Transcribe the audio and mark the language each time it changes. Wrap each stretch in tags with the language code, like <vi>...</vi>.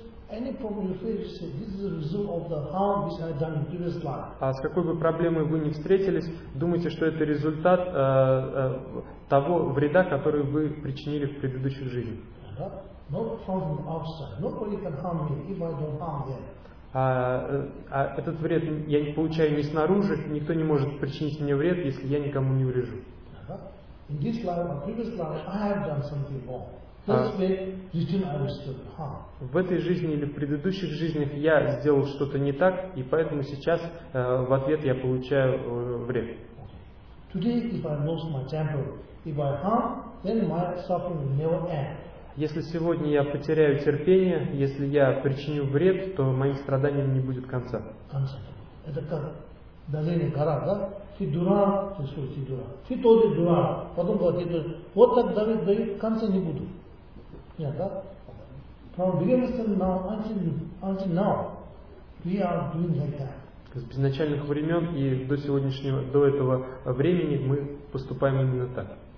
<en>Any problem you face, this is a result of the harm which I have done in previous life.</en> <ru>А с какой бы проблемой вы ни встретились, думайте, что это результат того вреда, который вы причинили в предыдущих жизнях.</ru> <en>Not from the outside. Nobody can harm me if I don't harm them.</en> <ru>А этот вред я не получаю не снаружи, никто не может причинить мне вред, если я никому не врежу.</ru> <en>In this life, in previous life, I have done something wrong.</en> <ru>В этой жизни или в предыдущих жизнях я сделал что-то не так, и поэтому сейчас в ответ я получаю вред.</ru> <en>Today, if I lost my temper, if I harm, then my suffering will never end.</en> <ru>Если сегодня я потеряю терпение, если я причиню вред, то моим страданиям не будет конца. Это как давление гора, да? Ты дурак, ты слушай, ты дурак. Ты тоже дурак. Потом говорит, вот так давить дают, конца не будут. Нет, да?</ru> <en>From beginning now until now, we are doing like that.</en> <ru>С изначальных времен и до сегодняшнего, до этого времени мы поступаем именно так.</ru>